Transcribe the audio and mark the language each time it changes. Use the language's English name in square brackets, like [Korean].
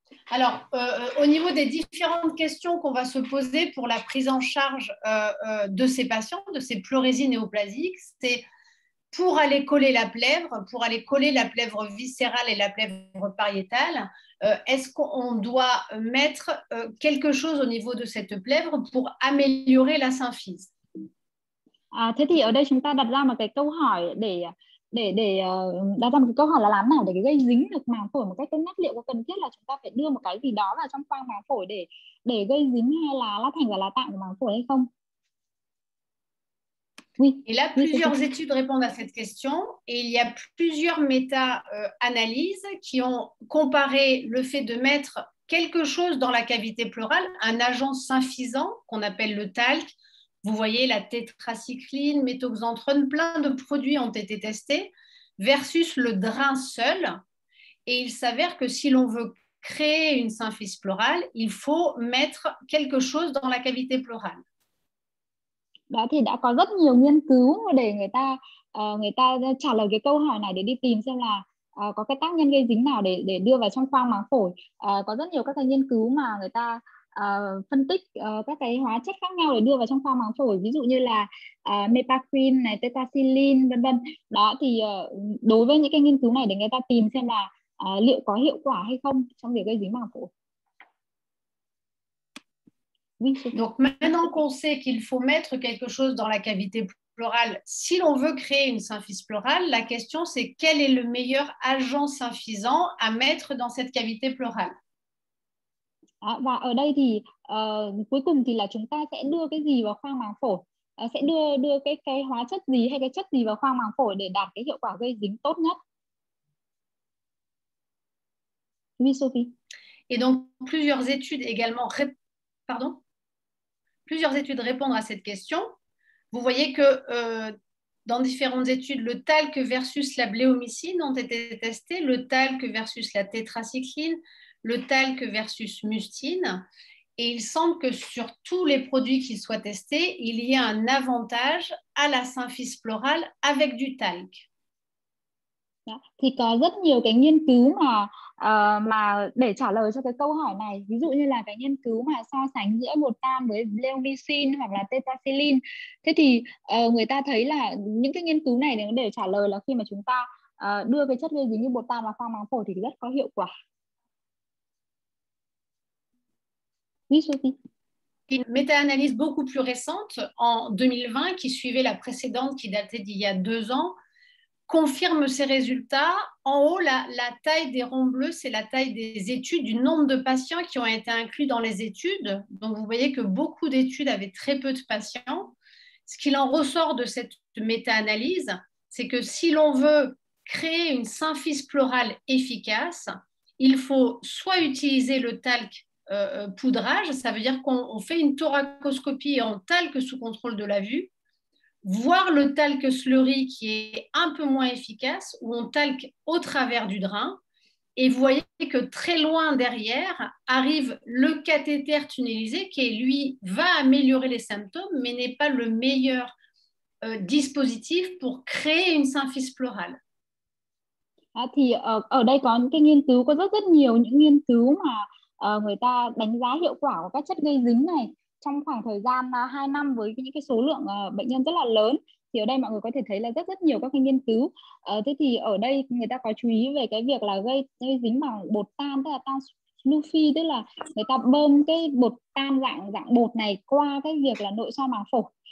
[French] Alors, au niveau des différentes questions qu'on va se poser pour la prise en charge de ces patients, de ces pleurésies néoplasiques, c'est pour aller coller la plèvre, pour aller coller la plèvre viscérale et la plèvre pariétale, est-ce qu'on doit mettre quelque chose au niveau de cette plèvre pour améliorer la symphyse? [Vietnamese] À, thế thì ở đây chúng ta đặt ra một cái câu hỏi để đặt ra một cái câu hỏi là làm nào để cái gây dính được màng phổi một cách tốt nhất, liệu có cần thiết là chúng ta phải đưa một cái gì đó vào trong khoang màng phổi để gây dính hay là lát thành và lá tạng của màng phổi hay không? [French] Et là, plusieurs études répondent à cette question et il y a plusieurs méta-analyses qui ont comparé le fait de mettre quelque chose dans la cavité pleurale, un agent symphysant qu'on appelle le talc. Vous voyez, la tétracycline, méthoxantrone, plein de produits ont été testés versus le drain seul. Et il s'avère que si l'on veut créer une symphyse pleurale, il faut mettre quelque chose dans la cavité pleurale. [Vietnamese] Đó thì đã có rất nhiều nghiên cứu để người ta trả lời cái câu hỏi này để đi tìm xem là có cái tác nhân gây dính nào để đưa vào trong khoang màng phổi. Có rất nhiều các cái nghiên cứu mà người ta phân tích các cái hóa chất khác nhau để đưa vào trong khoang màng phổi, ví dụ như là mepaquin này, tetracycline vân vân. Đó thì đối với những cái nghiên cứu này để người ta tìm xem là liệu có hiệu quả hay không trong việc gây dính màng phổi. [French] Donc maintenant qu'on sait qu'il faut mettre quelque chose dans la cavité pleurale, si l'on veut créer une symphyse pleurale, la question c'est quel est le meilleur agent symphysant à mettre dans cette cavité pleurale. [Vietnamese] Và ở đây thì cuối cùng thì là chúng ta sẽ đưa cái gì vào khoang màng phổi, sẽ đưa cái hóa chất gì hay cái chất gì vào khoang màng phổi để đạt cái hiệu quả gây dính tốt nhất. [French] Oui, Sophie. Et donc plusieurs études également. Pardon. Plusieurs études répondent à cette question. Vous voyez que dans différentes études, le talc versus la bléomycine ont été testés, le talc versus la tétracycline, le talc versus mustine. Et il semble que sur tous les produits qui soient testés, il y a un avantage à la symphyse pleurale avec du talc. [Vietnamese] Thì có rất nhiều cái nghiên cứu mà để trả lời cho cái câu hỏi này, ví dụ như là cái nghiên cứu mà so sánh giữa bột tan với bleomycin hoặc là tetracycline. Thế thì người ta thấy là những cái nghiên cứu này để trả lời là khi mà chúng ta đưa cái chất gây dính như bột tan vào khoang màng phổi thì rất có hiệu quả. [French] Une méta-analyse beaucoup plus récente en 2020 qui suivait la précédente qui datait d'il y a 2 ans confirme ces résultats. En haut, la taille des ronds bleus, c'est la taille des études, du nombre de patients qui ont été inclus dans les études. Donc, vous voyez que beaucoup d'études avaient très peu de patients. Ce qu'il en ressort de cette méta-analyse, c'est que si l'on veut créer une symphyse pleurale efficace, il faut soit utiliser le talc poudrage, ça veut dire qu'on fait une thoracoscopie en talc sous contrôle de la vue, voir le talc slurry qui est un peu moins efficace, où on talque au travers du drain, et vous voyez que très loin derrière arrive le cathéter tunnelisé qui, lui, va améliorer les symptômes, mais n'est pas le meilleur dispositif pour créer une symphyse pleurale. [Vietnamese] Thì ở đây có những cái nghiên cứu, có rất rất nhiều những nghiên cứu mà người ta đánh giá hiệu quả của các chất gây dính này trong khoảng thời gian 2 năm với những cái số lượng bệnh nhân rất là lớn. Thì ở đây mọi người có thể thấy là rất rất nhiều các cái nghiên cứu. Thế thì ở đây người ta có chú ý về cái việc là gây dính bằng bột tan, tức là tan sluffy, tức là người ta bơm cái bột tan dạng bột này qua cái việc là nội soi màng phổi.